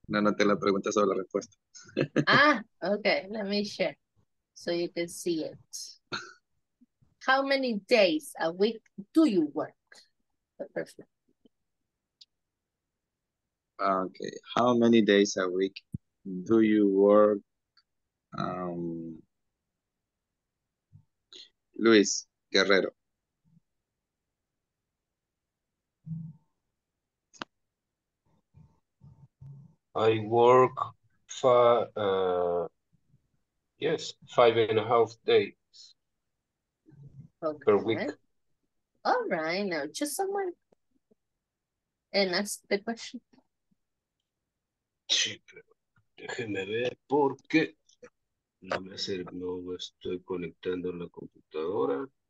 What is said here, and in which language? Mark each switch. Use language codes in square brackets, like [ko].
[es] No, no te la pregunta sobre la respuesta. [en] Okay. Let me share so you can see it. How many days a week do you work? Perfect. Okay. How many days a week do you work? Luis Guerrero. I work for, yes, 5.5 days okay. per week. All right, now just someone and ask the question. [es] Sí, pero déjeme ver por qué. No me hace, no estoy conectando la computadora.